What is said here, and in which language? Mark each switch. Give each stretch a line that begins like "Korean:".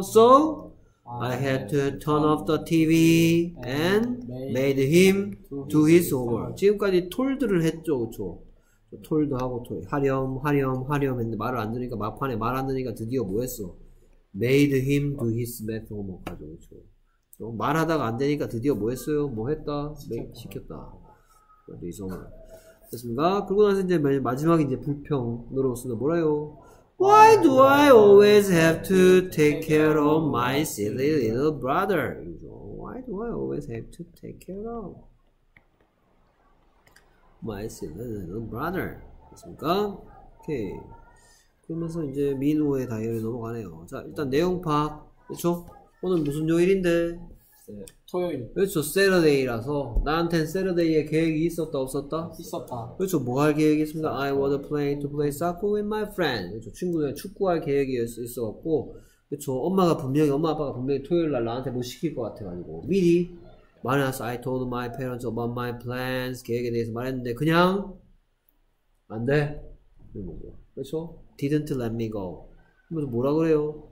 English: So I had to turn off the TV and made him do his homework.
Korean: 지금까지 told를 했죠, 그렇죠? told 하고 told 하렴 하렴 하렴 했는데 말을 안 들으니까 막판에 말 안 들으니까 드디어 뭐 했어?
English: Made him do his math homework
Korean: 하죠, 그렇죠? 말하다가 안 되니까 드디어 뭐 했어요? 뭐 했다? 시켰다. 그래서 이 정도 됐습니다. 그리고 나서 이제 마지막 이제 불평으로서 뭐라요?
English: Why do I always have to take care of my silly little brother? Why do I always have to take care of my silly little brother?
Korean: 됐습니까?
English: 오케이.
Korean: 그러면서 이제 민호의 다이어리 넘어가네요. 자, 일단 내용 파악. 그쵸? 오늘 무슨 요일인데? 토요일. 그쵸, Saturday라서. 나한텐 Saturday에 계획이 있었다, 없었다? 있었다. 그쵸, 뭐 할 계획이 있습니다.
English: I was planning to play soccer with my friend.
Korean: 그쵸, 친구들이랑 축구할 계획이 있어갖고. 그쵸, 엄마가 분명히, 엄마 아빠가 분명히 토요일날 나한테 뭐 시킬 것 같아가지고. 미리 말해놨어.
English: I told my parents about my plans.
Korean: 계획에 대해서 말했는데, 그냥, 안 돼. 그쵸?
English: Didn't let me go.
Korean: 그래서 뭐라 그래요?